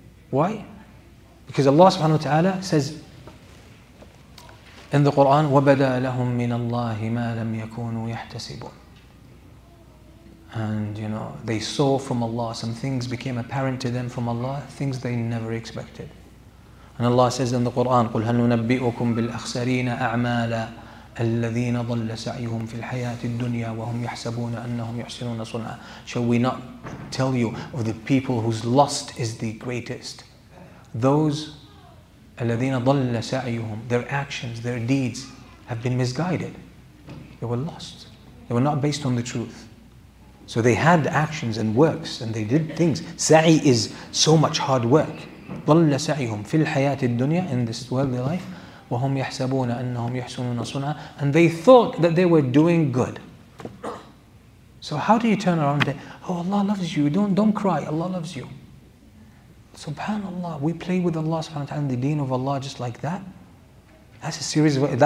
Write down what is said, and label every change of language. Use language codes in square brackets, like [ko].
[en] Why? Because Allah subhanahu wa ta'ala says in the Quran, [ar] وَبَدَى لَهُم مِّنَ اللَّهِ مَا لَمْ يَكُونُوا يَحْتَسِبُونَ. [en] And, you know, they saw from Allah, some things became apparent to them from Allah, things they never expected. And Allah says in the Quran, [ar] قُلْ هَلْ نُنَبِّئُكُمْ بِالْأَخْسَرِينَ أَعْمَالًا الَّذِينَ ضَلَّ سَعْيُهُمْ فِي الْحَيَاةِ الدُّنْيَا وَهُمْ يَحْسَبُونَ أَنَّهُمْ يُحْسِنُونَ صُنْعًا. [en] Shall we not tell you of the people whose lust is the greatest? Those, [ar] الَّذِينَ ضَلَّ سَعْيُهُمْ, [en] their actions, their deeds have been misguided. They were lost. They were not based on the truth. So they had actions and works and they did things. Sa'i is so much hard work. [ar] ضَلَّ سَعْيُهُمْ فِي الْحَيَاةِ الدُّنْيَا, [en] in this worldly life. [ar] وَهُمْ يَحْسَبُونَ أَنَّهُمْ يَحْسُنُونَ صُنْعًا. [en] And they thought that they were doing good. So how do you turn around and say, oh, Allah loves you. Don't cry. Allah loves you. Subhanallah. We play with Allah subhanahu wa ta'ala and the deen of Allah just like that. That's a series of...